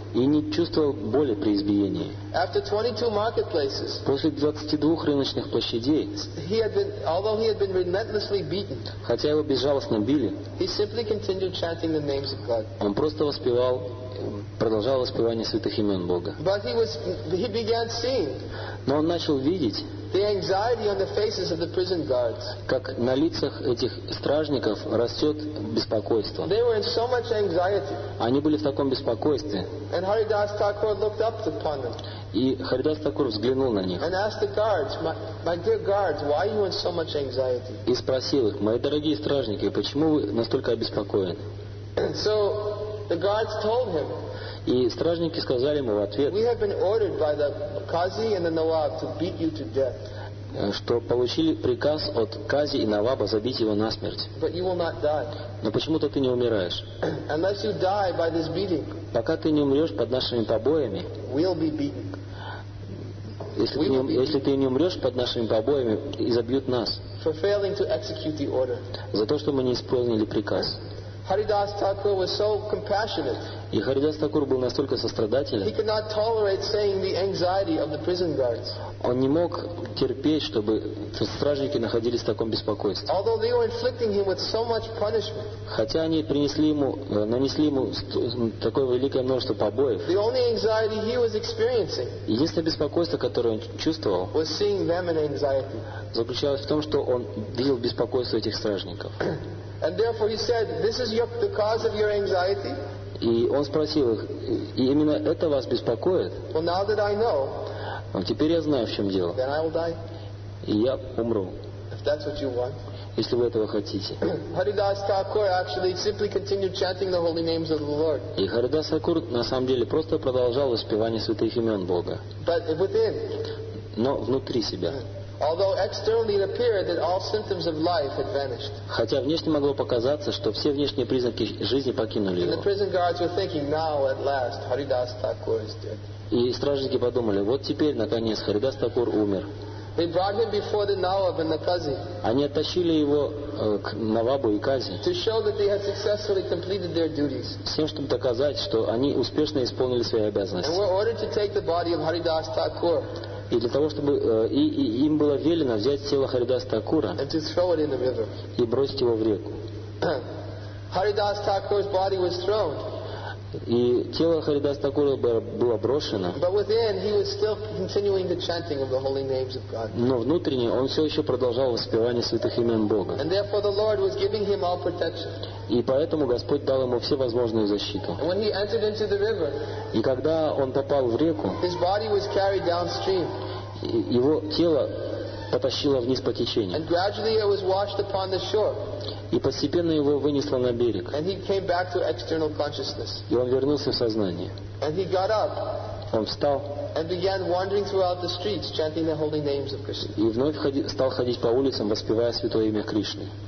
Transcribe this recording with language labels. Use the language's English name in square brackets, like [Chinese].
[Russian] И не чувствовал боли при избиении. [English] After 22 marketplaces, [Russian] после 22 рыночных площадей, [English] he had been relentlessly beaten, [Russian] хотя его безжалостно били, [English] he simply continued chanting the names of God. [Russian] Он просто воспевал, продолжал воспевание святых имен Бога. [English] But he began seeing, [Russian] но он начал видеть, [English] the anxiety on the faces of the prison guards. [Russian] Как на лицах этих стражников растет беспокойство. [English] They were in so much anxiety. [Russian] Они были в таком беспокойстве. [English] And Haridas Thakur looked up upon them. [Russian] И Харидас Такур взглянул на них. [English] And asked the guards, my dear guards, why are you in so much anxiety? [Russian] И спросил их, мои дорогие стражники, почему вы настолько обеспокоены? [English] So the guards told him. [Russian] И стражники сказали ему в ответ, [English] we have been ordered by the Qazi and the Nawab to beat you to death. [Russian] Что получили приказ от Кази и Наваба забить его насмерть. [English] But you will not die. [Russian] Но почему-то ты не умираешь. [English] Unless you die by this beating, [Russian] пока ты не умрешь под нашими побоями, [English] we'll be beaten. [Russian] Если ты не умрешь под нашими побоями, и забьют нас. [English] For failing to execute the order. [Russian] За то, что мы не исполнили приказ. [English] Haridas Thakur was so compassionate. [Russian] И Харидас Такур был настолько сострадателен. [English] He could not tolerate seeing the anxiety of the prison guards. [Russian] Он не мог терпеть, чтобы стражники находились в таком беспокойстве. [English] Although they were inflicting him with so much punishment. [Russian] Хотя они принесли ему, нанесли ему такое великое множество побоев. [English] The only anxiety he was experiencing. [Russian] Единственное беспокойство, которое он чувствовал, [English] was seeing them in anxiety. [Russian] Заключалось в том, что он видел беспокойство этих стражников. [English] And therefore he said, this is the cause of your anxiety. [Russian] И он спросил их, и именно это вас беспокоит? [English] Well, now that I know, [Russian] теперь я знаю, в чем дело. [English] Then I will die. [Russian] И я умру. [English] If that's what you want. [Russian] Если вы этого хотите. [English] Haridas Thakur actually simply continued chanting the holy names of the Lord. [Russian] И Харидас Такур на самом деле просто продолжал воспевание святых имен Бога. [English] But within. [Russian] Но внутри себя. [English] Although externally it appeared that all symptoms of life had vanished. [Russian] Хотя внешне могло показаться, что все внешние признаки жизни покинули его. [English] And the prison guards were thinking, now at last Haridas Thakur is dead. [Russian] И стражники подумали, вот теперь наконец Харидас Такур умер. [English] They brought him before the Nawab and the Qazi. [Russian] Они оттащили его к Навабу и Кази. [English] To show that they had successfully completed their duties. [Russian] Всем, чтобы доказать, что они успешно исполнили свои обязанности. [English] And were ordered to take the body of Haridas Thakur. [Russian] И для того, чтобы им было велено взять тело Харидас Такура и бросить его в реку. [English] Haridas Thakur's body was thrown. [Russian] И тело Харидас Такура было брошено. [English] But within, he was still continuing the chanting of the holy names of God. [Russian] Но внутренне он все еще продолжал воспевание святых имен Бога. [English] And therefore, the Lord was giving him all protection. [Russian] И поэтому Господь дал ему все возможные защиты. [English] And when he entered into the river, [Russian] и когда он попал в реку, [English] his body was carried downstream. [Russian] Его тело потащило вниз по течению. [English] And gradually, it was washed upon the shore. [Russian] И постепенно его вынесло на берег. [English] And he came back to external consciousness. [Russian] И он вернулся в сознание. [English] And he got up. [Russian] Он встал. [English] And began wandering throughout the streets, chanting the holy names of Krishna. [Russian] И вновь стал ходить по улицам, воспевая святое имя Кришны.